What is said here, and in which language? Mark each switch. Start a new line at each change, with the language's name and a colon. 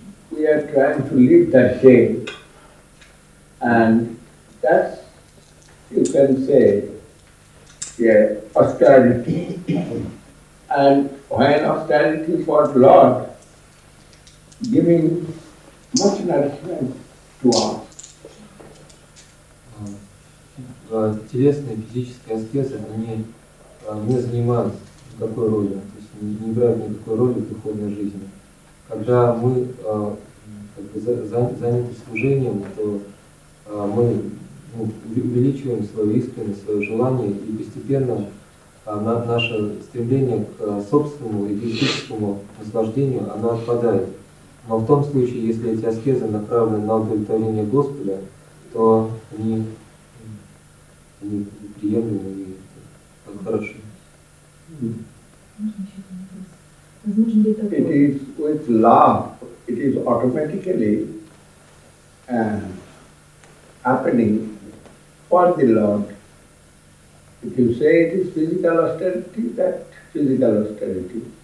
English: we are trying to live that day, and that's, you can say, yeah, austerity. And when austerity for the Lord, giving much nourishment to us.
Russian: Телесная физическая аскеза, она не занимает никакой роли, то есть не играет никакой роли в духовной жизни. Когда мы заняты служением, то мы увеличиваем свою искренность, свое желание, и постепенно наше стремление к собственному эгоистическому наслаждению, оно отпадает. Но в том случае, если эти аскезы направлены на удовлетворение Господа, то они приемлемы и хороши.
English: It is with love, it is automatically happening for the Lord. If you say it is physical austerity, that physical austerity.